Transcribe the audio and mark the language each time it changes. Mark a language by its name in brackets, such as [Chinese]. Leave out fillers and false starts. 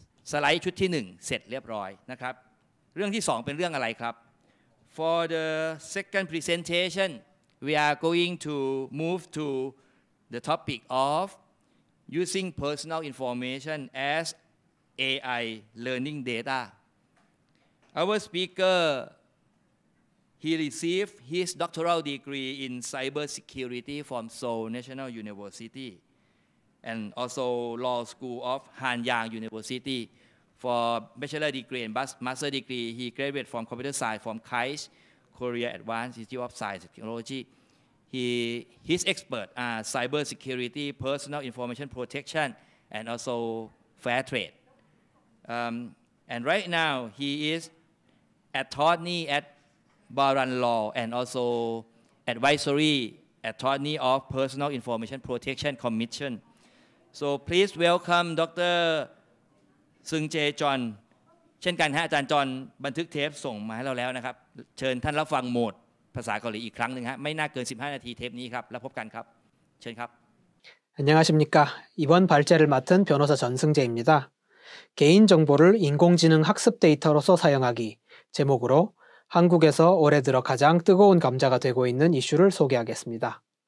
[Thai] สไลด์ชุดที่1เสร็จเรียบร้อยนะครับเรื่องที่2เป็นเรื่องอะไรครับ [English] For the second presentation we are going to move to the topic ofusing personal information as AI learning data. Our speaker, he received his doctoral degree in cybersecurity from Seoul National University and also Law School of Hanyang University. For bachelor degree and master degree, he graduated from computer science from KAIST, Korea Advanced Institute of Science and Technology. His expert are cyber security, personal information protection, and also fair trade. And right now, he is attorney at Baran Law and also advisory attorney of Personal Information Protection Commission. So please welcome Dr. Seung Jae John. [Thai] เช่นกันฮะอาจารย์จอห์นบันทึกเทปส่งมาให้เราแล้วนะครับเชิญท่านรับฟังโหมดภาษาเกาหลีอีกครั้งนึงฮะไม่น่าเกิน15นาทีเทปนี้ครับแล้วพบกันครับเชิญครับ [Korean] 안녕하십니까이번발제를맡은변호사전승재입니다 개인 정보를 인공지능 학습 데이터로서 사용하기 제목으로 한국에서 올해 들어 가장 뜨거운 감자가 되고 있는 이슈를 소개하겠습니다.